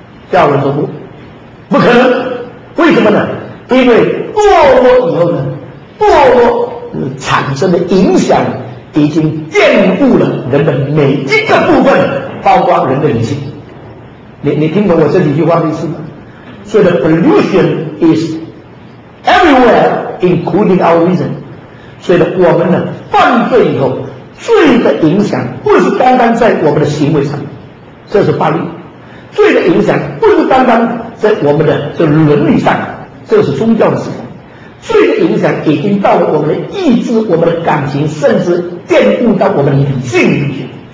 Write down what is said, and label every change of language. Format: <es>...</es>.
<zh>下文说不可能，为什么呢？因为堕落以后呢，堕落产生的影响已经玷污了人的每一个部分，包括人的理性。你听懂我这几句话的意思吗？</zh> <en>所以 the pollution is everywhere including our reason。</en> <zh>所以我们的犯罪以后，罪的影响不是单单在我们的行为上，这是法律，罪的影响不是单单在我们的这伦理上，这是宗教的事情，罪的影响已经到了我们的意志、我们的感情，甚至玷污到我们的理性里面。</zh>